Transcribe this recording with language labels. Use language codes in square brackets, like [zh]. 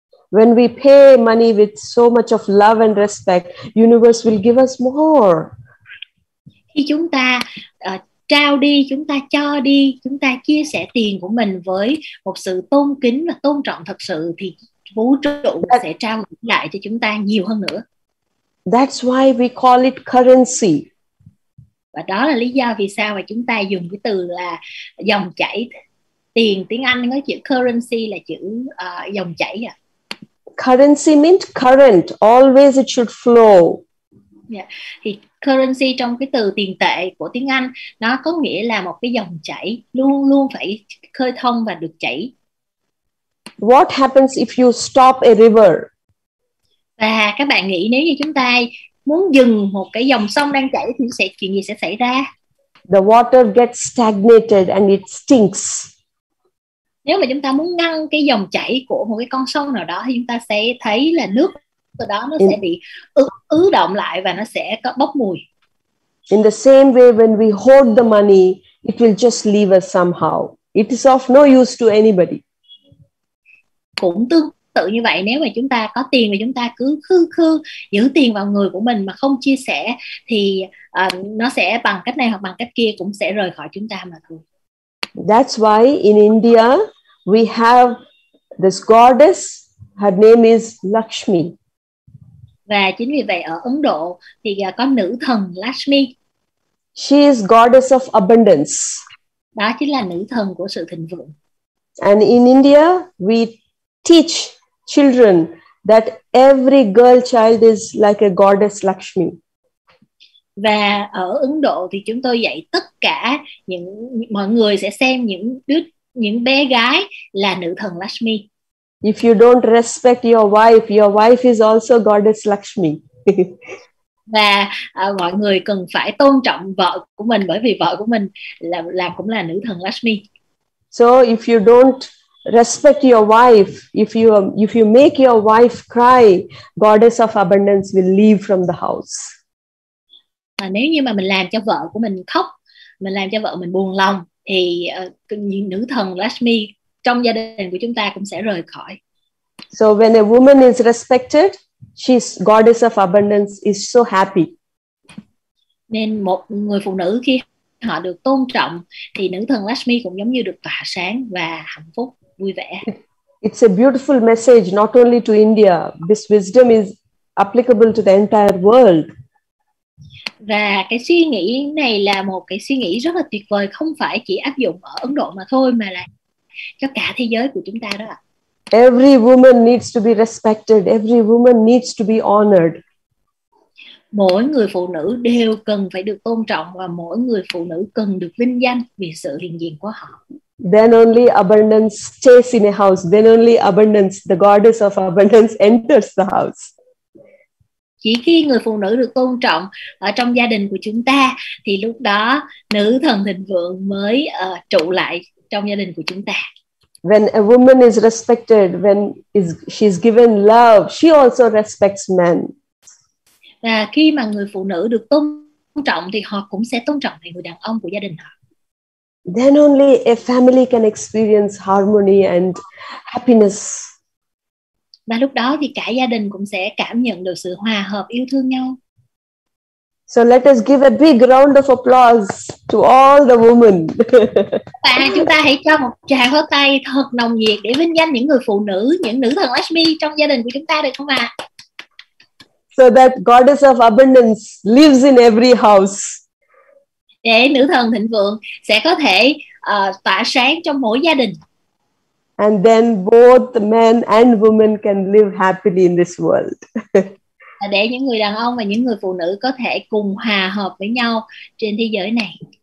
[en] When we pay money with so much of love and respect, universe will give us more. [vi] Khi chúng ta trao đi, chúng ta cho đi, chúng ta chia sẻ tiền của mình với một sự tôn kính và tôn trọng thật sự thì vũ trụ sẽ trao lại cho chúng ta nhiều hơn nữa. [en] That's why we call it currency. [vi] Và đó là lý do vì sao mà chúng ta dùng cái từ là dòng chảy. Tiền tiếng Anh có chữ currency là chữ dòng chảy ạ. [en] Currency means current, always it should flow. Yeah. [vi] Thì currency trong cái từ tiền tệ của tiếng Anh nó có nghĩa là một cái dòng chảy luôn luôn phải khơi thông và được chảy. [en] What happens if you stop a river? [vi] Và các bạn nghĩ nếu như chúng ta muốn dừng một cái dòng sông đang chảy thì sẽ chuyện gì sẽ xảy ra? [en] The water gets stagnated and it stinks. [vi] Nếu mà chúng ta muốn ngăn cái dòng chảy của một cái con sông nào đó thì chúng ta sẽ thấy là nước từ đó nó sẽ bị ứ động lại và nó sẽ có bốc mùi. [en] In the same way when we hold the money, it will just leave us somehow. It is of no use to anybody. [vi] Cũng tương tự như vậy, nếu mà chúng ta có tiền và chúng ta cứ khư khư giữ tiền vào người của mình mà không chia sẻ thì nó sẽ bằng cách này hoặc bằng cách kia cũng sẽ rời khỏi chúng ta mà thôi. [en] That's why in India we have this goddess, her name is Lakshmi. [vi] Và chính vì vậy ở Ấn Độ thì có nữ thần Lakshmi. [en] She is goddess of abundance. [vi] Đó chính là nữ thần của sự thịnh vượng. [en] And in India we teach children that every girl child is like a goddess Lakshmi. [vi] Và ở Ấn Độ thì chúng tôi dạy tất cả những mọi người sẽ xem những bé gái là nữ thần Lakshmi. [en] If you don't respect your wife is also goddess Lakshmi. [vi] Và mọi người cần phải tôn trọng vợ của mình bởi vì vợ của mình là cũng là nữ thần Lakshmi. [en] So if you don't respect your wife, if you make your wife cry, goddess of abundance will leave from the house. [vi] Nếu như mà mình làm cho vợ của mình khóc, mình làm cho vợ mình buồn lòng thì nữ thần Lakshmi trong gia đình của chúng ta cũng sẽ rời khỏi. [en] So when a woman is respected, she's goddess of abundance is so happy. [vi] Nên một người phụ nữ khi họ được tôn trọng thì nữ thần Lakshmi cũng giống như được tỏa sáng và hạnh phúc, vui vẻ. [en] It's a beautiful message not only to India. This wisdom is applicable to the entire world. [vi] Và cái suy nghĩ này là một cái suy nghĩ rất là tuyệt vời, không phải chỉ áp dụng ở Ấn Độ mà thôi mà là cho cả thế giới của chúng ta đó. [en] Every woman needs to be respected, every woman needs to be honored. [vi] Mỗi người phụ nữ đều cần phải được tôn trọng và mỗi người phụ nữ cần được vinh danh vì sự hiện diện của họ. [en] Then only abundance stays in a house, then only abundance, the goddess of abundance enters the house. [vi] Chỉ khi người phụ nữ được tôn trọng ở trong gia đình của chúng ta thì lúc đó nữ thần thịnh vượng mới trụ lại trong gia đình của chúng ta. [en] When a woman is respected, when she is given love, she also respects men. [vi] Và khi mà người phụ nữ được tôn trọng thì họ cũng sẽ tôn trọng người đàn ông của gia đình họ. [en] Then only a family can experience harmony and happiness. [vi] Và lúc đó thì cả gia đình cũng sẽ cảm nhận được sự hòa hợp, yêu thương nhau. [en] So let us give a big round of applause. to all the women. [vi] Và chúng ta hãy cho một tràng pháo tay thật nồng nhiệt để vinh danh những người phụ nữ, những nữ thần Lakshmi trong gia đình của chúng ta được không ạ? [en] So that goddess of abundance lives in every house. [vi] Để nữ thần thịnh vượng sẽ có thể tỏa sáng trong mỗi gia đình. [en] And then both men and women can live happily in this world. [vi] Để những người đàn ông và những người phụ nữ có thể cùng hòa hợp với nhau trên thế giới này.